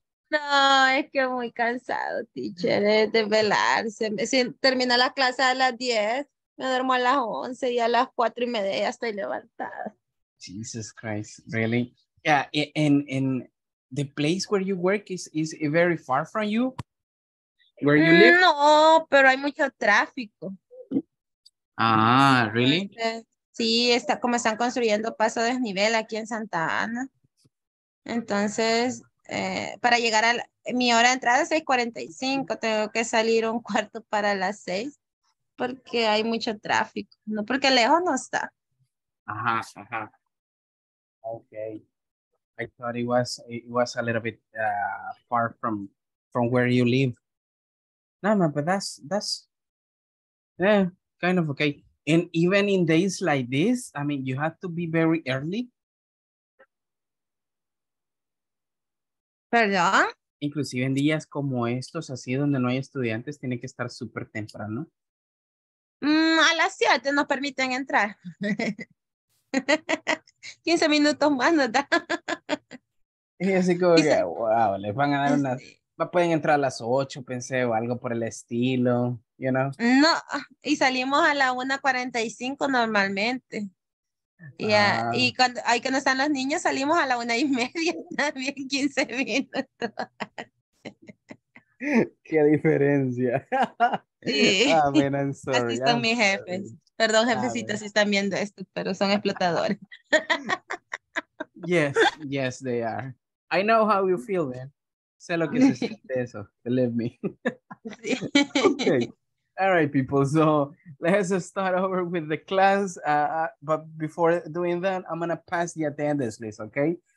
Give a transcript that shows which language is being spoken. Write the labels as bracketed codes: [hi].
[es] no, es que muy cansado, teacher, de velarse. Si termina la clase a las 10, me duermo a las 11 y a las 4 y media ya estoy levantada. [en] Jesus Christ, really? Yeah, and the place where you work is very far from you? Where you live? [es] No, pero hay mucho tráfico. [en] Ah, really? [es] Sí, está como están construyendo paso de desnivel aquí en Santa Ana. Entonces, para llegar a mi hora de entrada es 6:45, tengo que salir un cuarto para las 6 porque hay mucho tráfico, no porque lejos no está. Ajá, ajá. Okay. [en] I thought it was a little bit far from where you live. No, man, but that's yeah, kind of okay. And even in days like this, I mean, you have to be very early. [es] ¿Perdón? Inclusive en días como estos, así donde no hay estudiantes, tiene que estar súper temprano. A las 7 nos permiten entrar. 15 minutos más, ¿no? Y así como que, wow, les van a dar unas... Pueden entrar a las 8, pensé, o algo por el estilo, [en] you know? [es] No, y salimos a la 1:45 normalmente. Y cuando hay que no están los niños, salimos a la 1:30, también 15 minutos. ¡Qué diferencia! Sí. [en] Oh, man, I'm sorry. [es] Así están mis jefes. Perdón, jefecitos, si están viendo esto, pero son explotadores. [en] Yes, yes, they are. I know how you feel, man. [es] Sé lo que se siente eso, [en] believe me. Okay. All right, people. So let's start over with the class. But before doing that, I'm going to pass the attendance list, okay?